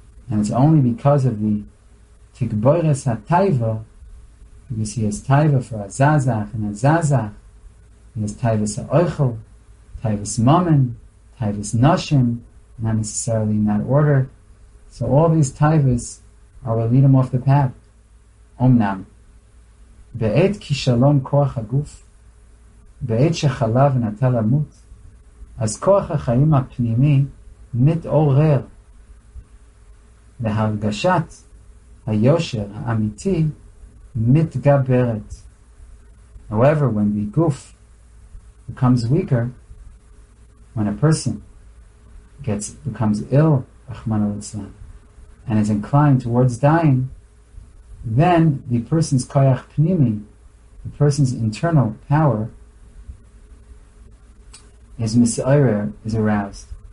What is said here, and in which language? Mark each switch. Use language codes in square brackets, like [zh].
[en] And it's only because of the tikboires ha-taiva, because he has taiva for azazach and azazach, he has taiva sa-oichel, taiva s-momen, taiva s-noshim, not necessarily in that order. So all these taivas are what lead him off the path. Omnam. [he] Be'et kishalom koach haguf, בעת שחלה ונטה למות, אז כוח החיים הפנימי מתעורר להרגשת היושר האמיתי מתגברת. [en] However, when the goof becomes weaker, when a person becomes ill, רחמנא ליצלן, and is inclined towards dying, then the person's koach pnimi, the person's internal power, his misoirer is aroused.